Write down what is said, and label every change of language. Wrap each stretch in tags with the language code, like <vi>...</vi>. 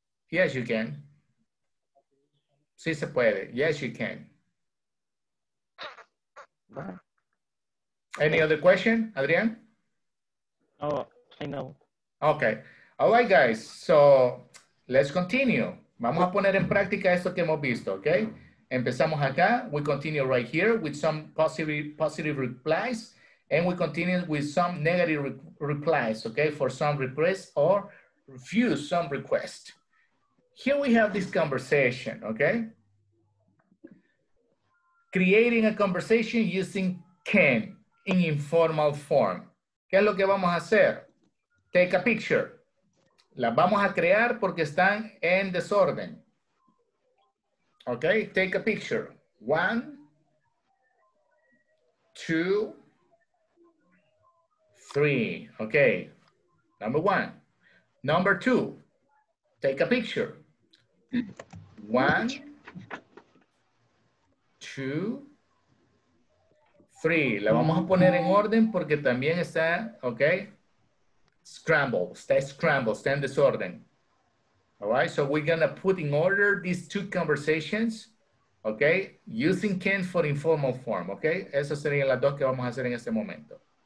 <en>Yes, you can.</en> <es>Sí se puede.</es> <en>Yes, you can. Any other question, Adrián? Oh, I know. Okay. All right, guys. So, let's continue.</en> <es>Vamos a poner en práctica esto que hemos visto, okay? Empezamos acá.</es> <en>We continue right here with some positive replies. And we continue with some negative replies, okay, for some requests or refuse some request. Here we have this conversation, okay? Creating a conversation using can in informal form.</en> <es>¿Qué es lo que vamos a hacer?</es> <en>Take a picture.</en> <es>Las vamos a crear porque están en desorden.</es> <en>Okay, take a picture. One, two, three, okay, number one. Number two, take a picture. One, two, three.</en> <es>La vamos a poner en orden porque también está, okay? Scramble, está en desorden.</es> <en>All right, so we're gonna put in order these two conversations, okay? Using can for informal form, okay?</en> <es>Esas serían las dos que vamos a hacer en este momento.</es>